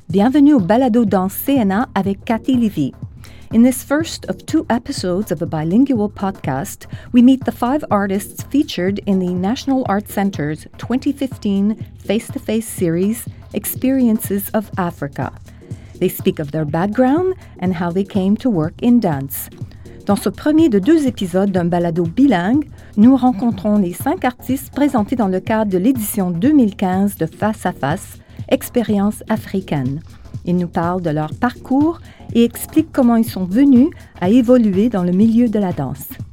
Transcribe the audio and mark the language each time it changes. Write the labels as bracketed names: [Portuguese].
[French] Bienvenue au balado danser NA avec Cathy Levy. [English] In this first of two episodes of a bilingual podcast, we meet the five artists featured in the National Arts Center's 2015 face-to-face series, Experiences of Africa. They speak of their background and how they came to work in dance. [French] Dans ce premier de deux épisodes d'un balado bilingue, nous rencontrons les cinq artistes présentés dans le cadre de l'édition 2015 de Face à Face, Expérience africaine. Ils nous parlent de leur parcours et expliquent comment ils sont venus à évoluer dans le milieu de la danse.